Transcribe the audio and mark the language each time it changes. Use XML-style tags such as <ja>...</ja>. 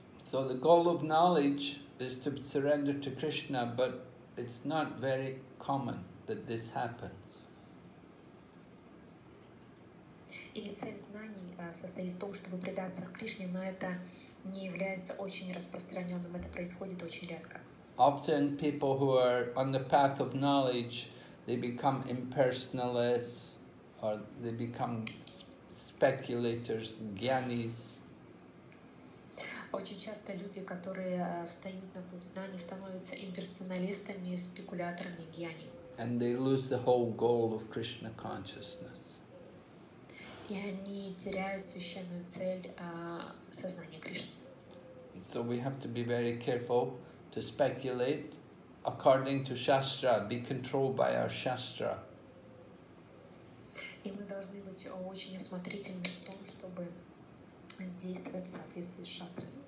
<en>So the goal of knowledge is to surrender to Krishna, but it's not very common that this happens.</en> <ru>И цель знаний состоит в том, чтобы предаться Кришне, но это не является очень распространенным, это происходит очень редко.</ru> <en>Often people who are on the path of knowledge, they become impersonalists, or they become speculators, gyanis.</en> <ru>Очень часто люди, которые встают на путь знаний, становятся имперсоналистами, спекуляторами, гьяни.</ru> <en>And they lose the whole goal of Krishna consciousness.</en> <ru>И они теряют священную цель сознания Кришны.</ru> <en>So we have to be very careful to speculate according to Shastra, be controlled by our Shastra.</en> <ru>И мы должны быть очень осмотрительны в том, чтобы действовать в соответствии с Шастрой.</ru>